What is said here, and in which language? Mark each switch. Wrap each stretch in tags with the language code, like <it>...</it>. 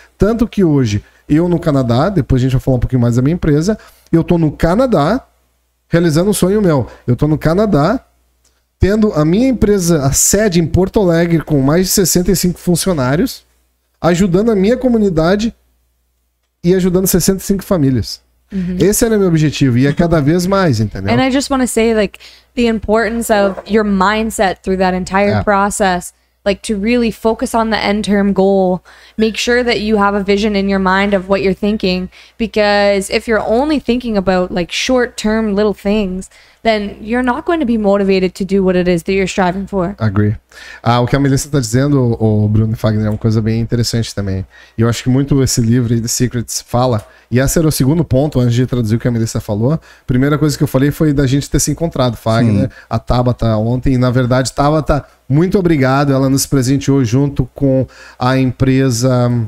<pt>Tanto que hoje, eu no Canadá, depois a gente vai falar um pouquinho mais da minha empresa, eu tô no Canadá realizando um sonho meu. Eu tô no Canadá tendo a minha empresa, a sede em Porto Alegre, com mais de 65 funcionários, ajudando a minha comunidade e ajudando 65 famílias. Mm-hmm. Esse era meu objetivo e é cada vez mais, entendeu?</pt> <en>And I just want to say, like, the importance of your mindset through that entire process. like to really focus on the end term goal. Make sure that you have a vision in your mind of what you're thinking, because if you're only thinking about like short term little things, then you're not going to be motivated to do what it is that you're striving for. Agree.</en> <pt>Ah, o que a Melissa está dizendo, o Bruno Fagner, é uma coisa bem interessante também. Eu acho que muito esse livro, The Secrets, fala, e esse era o segundo ponto, antes de traduzir o que a Melissa falou, a primeira coisa que eu falei foi da gente ter se encontrado, Fagner, né? A Tabata ontem, e na verdade, Tabata, muito obrigado, ela nos presenteou junto com a empresa...</pt>